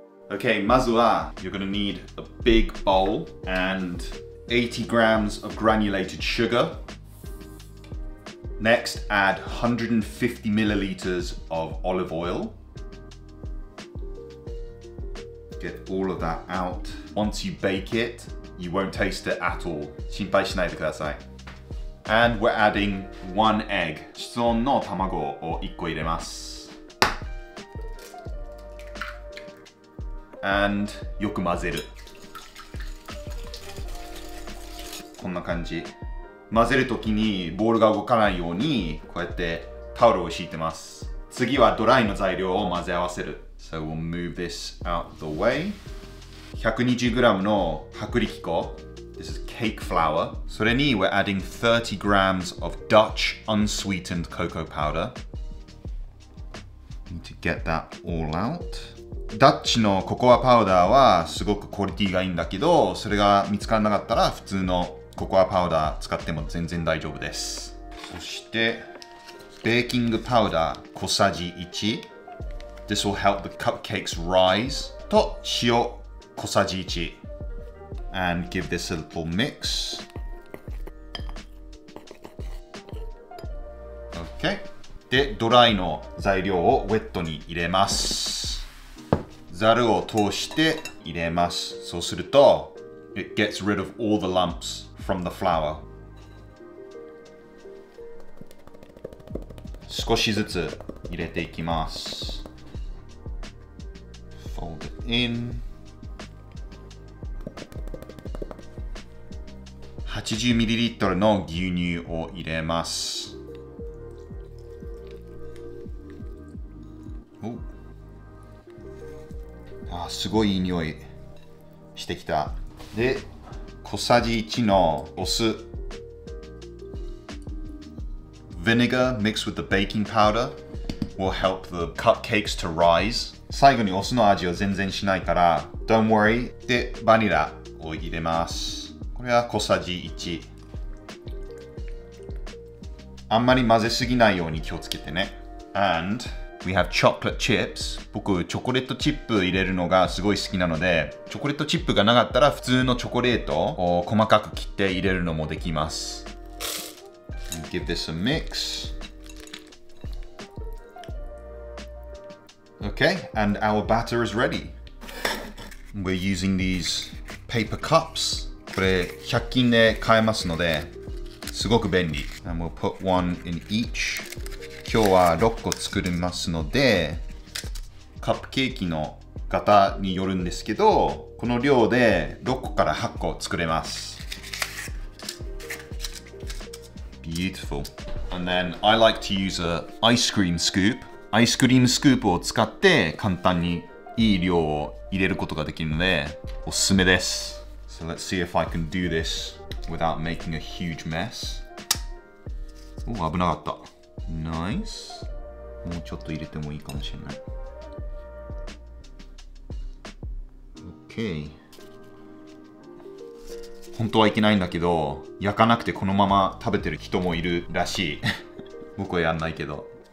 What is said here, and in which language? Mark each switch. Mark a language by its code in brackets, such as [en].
[en] Okay, [ja] まずは [en] you're gonna need a big bowl and 80 grams of granulated sugar. Next, add 150 milliliters of olive oil. Get all of that out. Once you bake it, you won't taste it at all. [ja] 心配しないでください。 [en] And we're adding one egg. [ja] 室温の卵を1個入れます。 And よく混ぜる。こんな感じ。混ぜるときにボールが動かないように、こうやってタオルを敷いてます。次はドライの材料を混ぜ合わせる。 [en] So we'll move this out the way. [ja] 120g の薄力粉。 [en] This is cake flour. [ja] それに [en] we're adding 30 grams of Dutch unsweetened cocoa powder. Need to get that all out. [ja] Dutch のココアパウダーはすごくクオリティがいいんだけど、それが見つからなかったら普通のココアパウダー使っても全然大丈夫です。そして、ベーキングパウダー小さじ1。 [en] This will help the cupcakes rise. [ja] と塩小さじ1。 [en] And give this a little mix. Okay. [ja] で、ドライの材料をウェットに入れます。ザルを通して入れます。そうすると、 [en] it gets rid of all the lumps from the flour. [ja] 少しずつ入れていきます。 [en] Fold it in. [ja] 80ml の牛乳を入れます。お、あ、すごいいい匂いしてきた。で、小さじ1のお酢。 [en] Vinegar mixed with the baking powder will help the cupcakes to rise. [ja] 最後にお酢の味を全然しないから、 [en] Don't worry. [ja] で、バニラを入れます。これは小さじ1。あんまり混ぜすぎないように気をつけてね。 [en] And we have chocolate chips. [ja] 僕、チョコレートチップ入れるのがすごい好きなので、チョコレートチップがなかったら普通のチョコレートを細かく切って入れるのもできます。 [en] Give this a mix. Okay, and our batter is ready. We're using these paper cups. [ja] これ100均で買えますのですごく便利。 [en] And we'll put one in each. [ja] 今日は6個作りますので、カップケーキの型によるんですけど、この量で6個から8個作れます。 [en] Beautiful. And then I like to use a ice cream scoop. [ja] アイスクリームスクープを使って簡単にいい量を入れることができるのでおすすめです。 [en] So let's see if I can do this without making a huge mess. Oh, [ja] 危なかった。 [en] Nice. [ja] もうちょっと入れてもいいかもしれない。 [en] Okay. [ja] 本当はいけないんだけど、焼かなくてこのまま食べてる人もいるらしい。僕はやんないけど。